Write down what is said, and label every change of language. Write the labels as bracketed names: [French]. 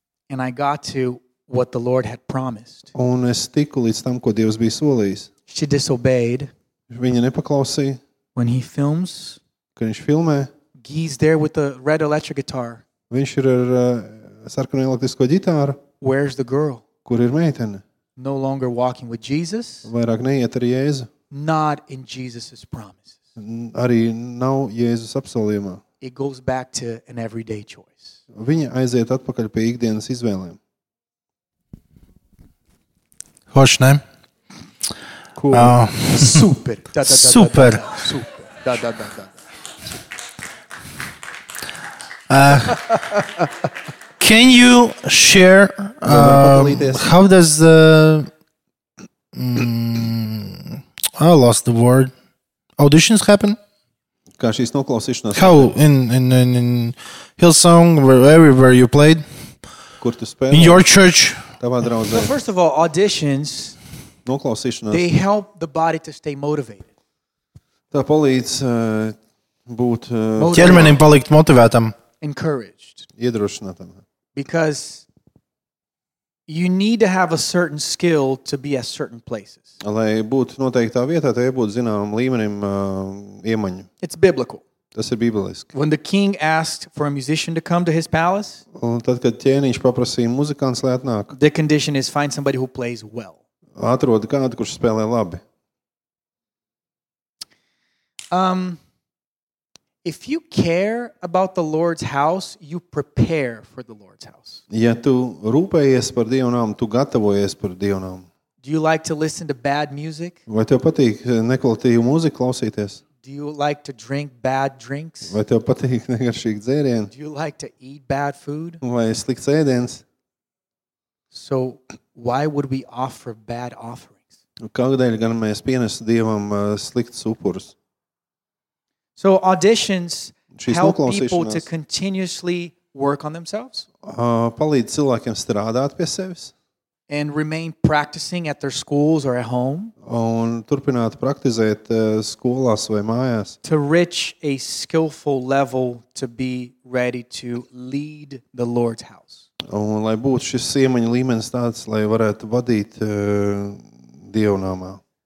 [English] And I got to what the Lord had promised. [Latvian] Un es tiku līdz tam, ko Dievs bija solījis. [English] She disobeyed. [Latvian] Viņa nepaklausīja. [English] When he films, [Latvian] kad viņš filmē, [English] he's there with the red electric guitar. [Latvian] Viņš ir ar sarkanu elektrisko ģitāru. [English] Where's the girl? [Latvian] Kur ir meitene? [English] No longer walking with Jesus. [Latvian] Vairāk neiet ar Jēzu. [English] Not in Jesus's promises. [Latvian] Arī nav Jēzus apsolījumā. [English] It goes back to an everyday choice. [Latvian] Viņa aiziet atpakaļ pie ikdienas izvēlēm. Hoš, ne? [English] Cool. Super. Da, da, da, super. Da, da, super. Da, da, da, da. Can you share how does the I lost the word. Auditions happen? [Latvian] Kā šīs noklausīšanās? [English] How in Hillsong everywhere you played? [Latvian] Kur tu spēlē? [English] In your church? [Latvian] Tavā draudzē. [English] Well, first of all, auditions, they help the body to stay motivated. [Latvian] Tā palīdz būt ķermenim palikt motivētam. [English] Encouraged. [Latvian] Iedrošinātam. [English] Because you need to have a certain skill to be at certain places. [Latvian] Lai būt noteiktā vietā, tev jābūt zināmam līmenim iemaņu. [English] It's biblical. [Latvian] Tas ir bibliski. [English] When the king asked for a musician to come to his palace, [Latvian] un tad, kad ķēniņš paprasīja muzikants, lai atnāk, [English] the condition is find somebody who plays well. [Latvian] Atrodi kādu, kurš spēlē labi. [English] If you care about the Lord's house, you prepare for the Lord's house. [Latvian] Ja tu rūpējies par Dieva namu, tu gatavojies par Dieva namu. [English] Do you like to listen to bad music? [Latvian] Vai tev patīk nekvalitīvu mūziku klausīties? [English] Do you like to drink bad drinks? [Latvian] Vai tev patīk negaršīgi dzērieni? [English] Do you like to eat bad food? [Latvian] Vai slikts ēdiens? [English] So why would we offer bad offerings? [Latvian] Kādēļ gan mēs pienesam Dievam sliktus upurus? [English] So auditions help people to continuously work on themselves? [Latvian] Palīdz cilvēkiem strādāt pie sevis? [English] And remain practicing at their schools or at home? [Latvian] Un turpināt praktizēt skolās vai mājās? [English] To reach a skillful level to be ready to lead the Lord's house. [Latvian] Un lai būtu šis iemaņu līmenis tāds, lai varētu vadīt Dieva nāmā.